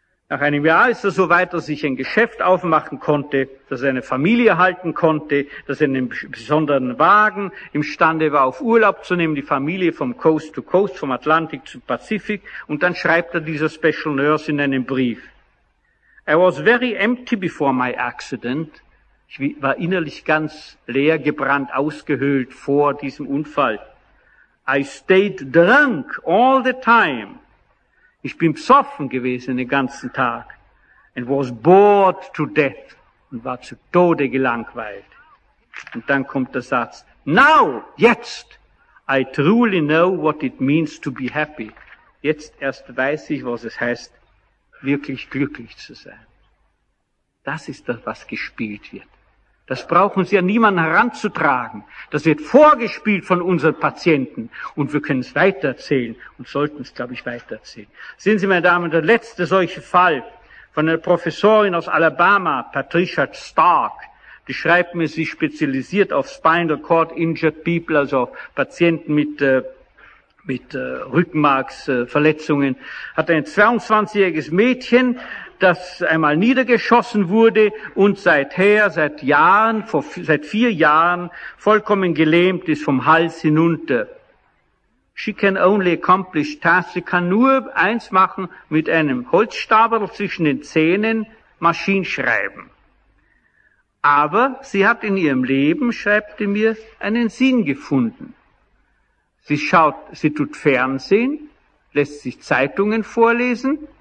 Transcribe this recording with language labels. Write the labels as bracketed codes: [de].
[de] Nach einem Jahr ist er so weit, dass ich ein Geschäft aufmachen konnte, dass er eine Familie halten konnte, dass er einen besonderen Wagen imstande war, auf Urlaub zu nehmen, die Familie vom Coast to Coast, vom Atlantik zum Pazifik. Und dann schreibt er dieser Special Nurse in einem Brief: [en] I was very empty before my accident. [de] Ich war innerlich ganz leer, gebrannt, ausgehöhlt vor diesem Unfall. [en] I stayed drunk all the time. [de] Ich bin besoffen gewesen den ganzen Tag [en] and was bored to death [de] und war zu Tode gelangweilt. Und dann kommt der Satz: [en] Now, [de] jetzt, [en] I truly know what it means to be happy. [de] Jetzt erst weiß ich, was es heißt, wirklich glücklich zu sein. Das ist das, was gespielt wird. Das brauchen Sie ja niemanden heranzutragen. Das wird vorgespielt von unseren Patienten. Und wir können es weitererzählen und sollten es, glaube ich, weitererzählen. Sehen Sie, meine Damen, der letzte solche Fall von einer Professorin aus Alabama, Patricia Stark, die schreibt mir, sie spezialisiert auf Spinal Cord Injured People, also auf Patienten mit Rückenmarksverletzungen, hat ein 22-jähriges Mädchen, das einmal niedergeschossen wurde und seit vier Jahren vollkommen gelähmt ist vom Hals hinunter. [en] She can only accomplish tasks. [de] Sie kann nur eins machen, mit einem Holzstapel zwischen den Zähnen Maschinenschreiben. Aber sie hat in ihrem Leben, schreibt sie mir, einen Sinn gefunden. Sie tut Fernsehen, lässt sich Zeitungen vorlesen.